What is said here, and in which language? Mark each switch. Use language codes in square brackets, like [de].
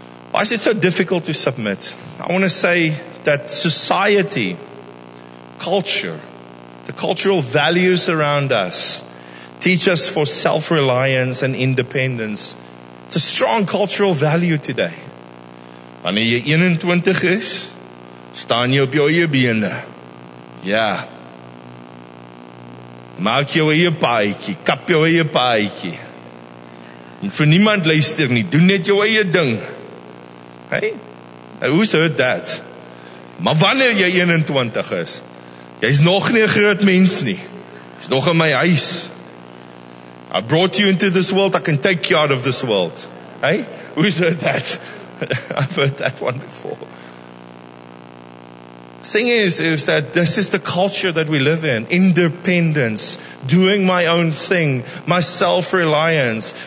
[en] Why is it so difficult to submit? I want to say that society, culture, the cultural values around us teach us for self-reliance and independence. It's a strong cultural value today. [af] Wanneer jy 21 is, staan jy op jou eie bene. [en] Yeah. [af] Maak jou eie paadjie, kap jou eie paadjie. En vir niemand luister nie, doen net jou eie ding. [en] Hey, who's heard that? [af] Maar wanneer jy 21 is, jy's nog nie 'n groot mens nie. Jy's nog in my huis. [en] I brought you into this world, I can take you out of this world. Hey, who's heard that? I've heard that one before. Thing is that this is the culture that we live in. Independence, doing my own thing, my self-reliance.